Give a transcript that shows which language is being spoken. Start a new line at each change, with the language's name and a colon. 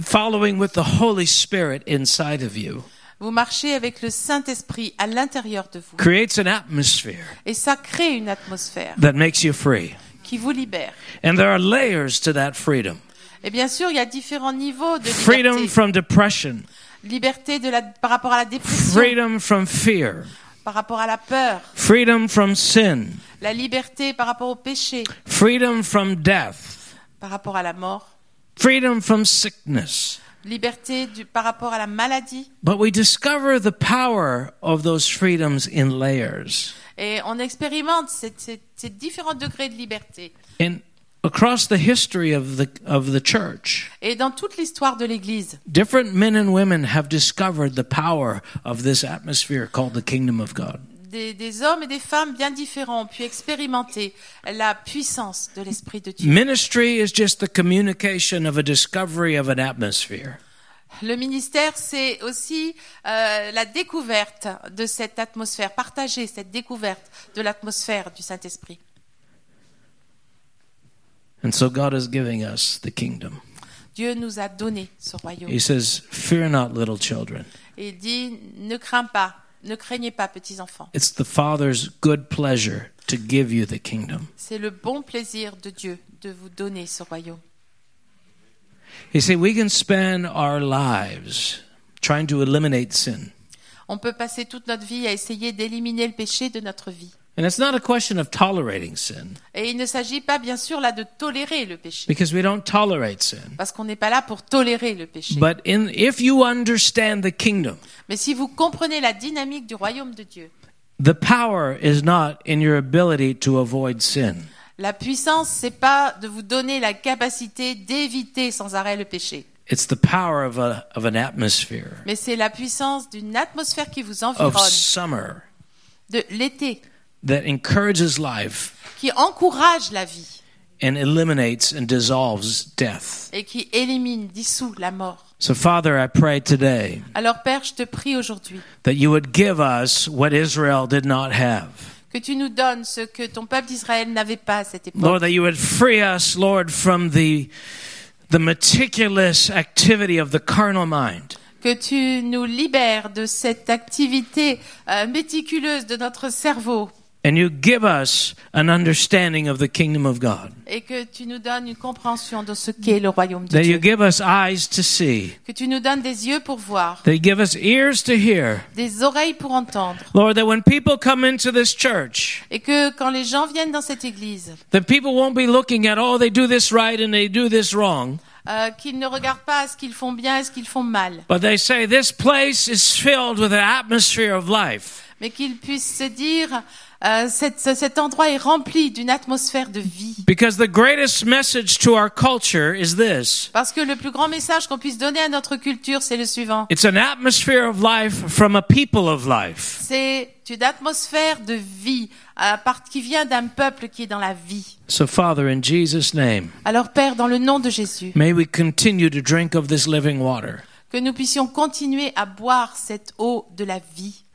English: Following with the Holy Spirit inside of you.
French: Vous marchez avec le Saint-Esprit à l'intérieur de vous.
English: Creates an atmosphere.
French: Et ça crée une atmosphère.
English: That makes you free.
French: Qui vous libère.
English: And there are layers to that freedom.
French: Et bien sûr, il y a différents niveaux de liberté.
English: Freedom from depression.
French: Liberté de la, par rapport à la dépression.
English: Freedom from fear.
French: Par rapport à la peur.
English: Freedom from sin.
French: La liberté par rapport au péché.
English: Freedom from death.
French: Par rapport à la mort.
English: Freedom from sickness.
French: Liberté par rapport à la maladie.
English: But we discover the power of those freedoms in layers.
French: Et on expérimente ces différents degrés de liberté.
English: Across the history of the church,
French: et dans toute l'histoire de l'Église,
English: different men and women have discovered the power of this atmosphere called the kingdom of God.
French: Des hommes et des femmes bien différents ont pu expérimenter la puissance de l'Esprit de Dieu.
English: Ministry is just the communication of a discovery of an atmosphere.
French: Le ministère, c'est aussi la découverte de cette atmosphère, partager cette découverte de l'atmosphère du Saint-Esprit.
English: And so God is giving us the kingdom.
French: Dieu nous a donné ce royaume.
English: He says, "Fear not, little children."
French: Il dit, ne crains pas, ne craignez pas, petits enfants.
English: It's the Father's good pleasure to give you the kingdom.
French: C'est le bon plaisir de Dieu de vous donner ce royaume.
English: He said, "We can spend our lives trying to eliminate sin."
French: On peut passer toute notre vie à essayer d'éliminer le péché de notre vie.
English: And it's not a question of tolerating sin.
French: Et il ne s'agit pas, bien sûr, là, de tolérer le péché.
English: Because we don't tolerate sin.
French: Parce qu'on n'est pas là pour tolérer le péché.
English: But if you understand the kingdom.
French: Mais si vous comprenez la dynamique du royaume de Dieu.
English: The power is not in your ability to avoid sin.
French: La puissance, c'est pas de vous donner la capacité d'éviter sans arrêt le péché.
English: It's the power of an atmosphere.
French: Mais c'est la puissance d'une atmosphère qui vous environne.
English: Of summer.
French: De l'été.
English: That encourages life,
French: qui encourage la vie,
English: and eliminates and dissolves death,
French: et qui élimine, dissout la mort.
English: So, Father, I pray today.
French: Alors, Père, je te prie aujourd'hui.
English: That you would give us what Israel did not have.
French: Que tu nous donnes ce que ton peuple d'Israël n'avait pas à cette époque.
English: Lord, that you would free us, Lord, from the meticulous activity of the carnal mind.
French: Que tu nous libères de cette activité méticuleuse de notre cerveau.
English: And you give us an understanding of the kingdom of God.
French: Et que tu nous donnes une compréhension de ce qu'est le royaume de
English: that
French: Dieu.
English: You give us eyes to see.
French: Que tu nous donnes des yeux pour voir.
English: That you give us ears to hear.
French: Des oreilles pour entendre.
English: Lord, that when people come into this church,
French: et que quand les gens viennent dans cette église,
English: the people won't be looking at, oh, they do this right and they do this wrong.
French: Qu'ils ne regardent pas ce qu'ils font bien et ce qu'ils font mal.
English: But they say, this place is filled with an atmosphere of life.
French: Mais qu'ils puissent se dire, cet endroit est rempli d'une atmosphère de vie.
English: Because the greatest message to our culture is this.
French: Parce que le plus grand message qu'on puisse donner à notre culture, c'est le suivant.
English: It's an atmosphere of life from a people of life.
French: C'est une atmosphère de vie qui vient d'un peuple qui est dans la vie.
English: So Father, in Jesus' name.
French: Alors Père, dans le nom de Jésus.
English: May we continue to drink of this living water.
French: Que nous puissions continuer à boire cette eau de la vie.